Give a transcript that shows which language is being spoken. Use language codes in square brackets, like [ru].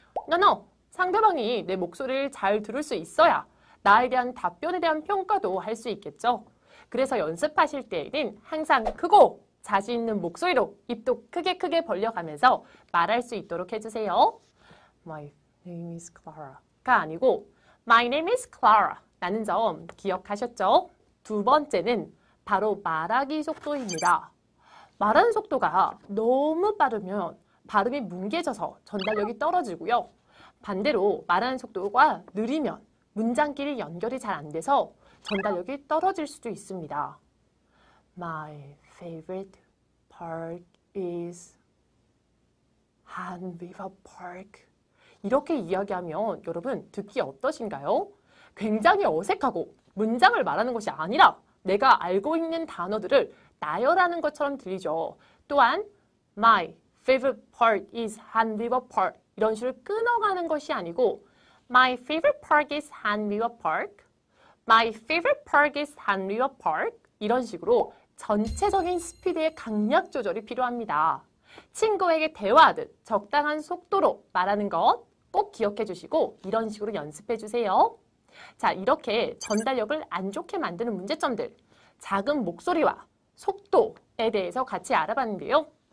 [en] No, no. [ko] 상대방이 내 목소리를 잘 들을 수 있어야 나에 대한 답변에 대한 평가도 할수 있겠죠? 그래서 연습하실 때에는 항상 크고 자신 있는 목소리로 입도 크게 크게 벌려가면서 말할 수 있도록 해주세요. [en] My name is Clara. [ko] 가 아니고 [en] My name is Clara. [ko] 라는 점 기억하셨죠? 두 번째는 바로 말하기 속도입니다. 말하는 속도가 너무 빠르면 발음이 뭉개져서 전달력이 떨어지고요. 반대로 말하는 속도가 느리면 문장끼리 연결이 잘안 돼서 전달력이 떨어질 수도 있습니다. [en] My favorite park is 한 리버 파크. [ko] 이렇게 이야기하면 여러분 듣기 어떠신가요? 굉장히 어색하고 문장을 말하는 것이 아니라 내가 알고 있는 단어들을 나열하는 것처럼 들리죠. [en] 또한 My favorite park is 한 리버 파크. [ko] 이런 식으로 끊어가는 것이 아니고 [en] My favorite park is Han River Park. My favorite park is Han River Park. [ko] 이런 식으로 전체적인 스피드의 강약 조절이 필요합니다. 친구에게 대화하듯 적당한 속도로 말하는 것꼭 기억해 주시고 이런 식으로 연습해 주세요. 자, 이렇게 전달력을 안 좋게 만드는 문제점들, 작은 목소리와 속도에 대해서 같이 알아봤는데요.